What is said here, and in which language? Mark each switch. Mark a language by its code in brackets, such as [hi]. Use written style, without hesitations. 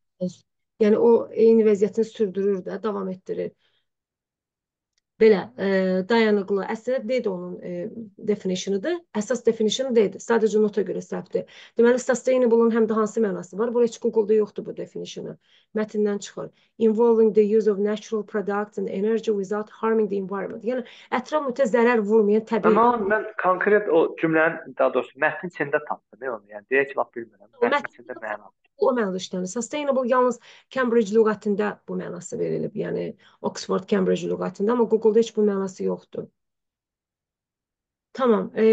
[tr] Aynen. [az] Yani o eyni vəziyyətini sürdürür də, davam etdirir. Belə, dayanıqlı. Əslində D-dir onun definition-ıdır. Əsas definition D-dir. Sadəcə nota görə səhvdir. Deməli, sustainable-ın həm də hansı mənası var? Burada heç Google-da yoxdur bu definition-ı. Mətindən çıxır. [en] Involving the use of natural products and energy without harming the environment. [az] Yəni, ətraf mühitə zərər vurmayan [tr] Ben [az] təbii. [tr] onu, ben konkret o cümlenin daha doğrusu metin içinde tanıdım. Ne onu yani? Diye hiç laf bilmiyorum. [az] O Metin mətin içinde mənalı. o mənada işlənir. Sustainable yalnız Cambridge lüğətində bu mənası verilib. Yəni Oxford Cambridge lüğətində, amma Google-da heç bu mənası yoxdur. Tamam.